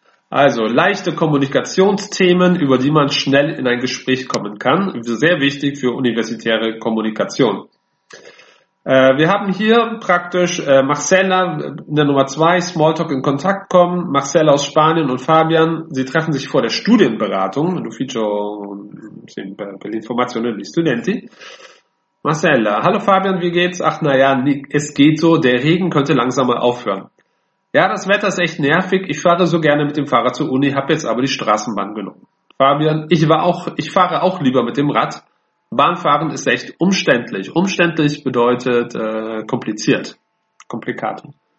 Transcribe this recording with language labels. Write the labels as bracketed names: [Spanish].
[German] Also leichte Kommunikationsthemen, über die man schnell in ein Gespräch kommen kann. Sehr wichtig für universitäre Kommunikation. Wir haben hier praktisch Marcella in der Nummer 2, Smalltalk in Kontakt kommen. Marcella aus Spanien und Fabian, sie treffen sich vor der Studienberatung. [Italian] L'ufficio per l'informazione degli studenti. [German] Marcella, hallo Fabian, wie geht's? Ach naja, es geht so, der Regen könnte langsam mal aufhören. Ja, das Wetter ist echt nervig, ich fahre so gerne mit dem Fahrrad zur Uni, habe jetzt aber die Straßenbahn genommen. Fabian, ich fahre auch lieber mit dem Rad. Bahnfahren ist echt umständlich. Umständlich bedeutet kompliziert. Komplikato.